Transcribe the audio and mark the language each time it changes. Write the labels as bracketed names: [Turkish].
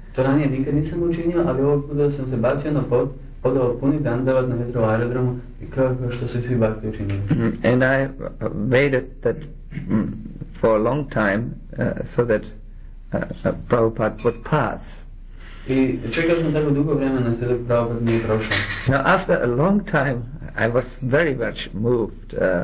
[Croatian] To ranije nikad nisam učinio, ali ovog puta sam se bacio na pod, podao puni dandavat na Heathrow aerodromu i kao što su svi bhakti učinili. [English] And I waited that for a long time so that Prabhupada would pass. [Croatian] I čekao sam tako dugo vremena sve dok Prabhupada nije prošao. [English] Now after a long time I was very much moved.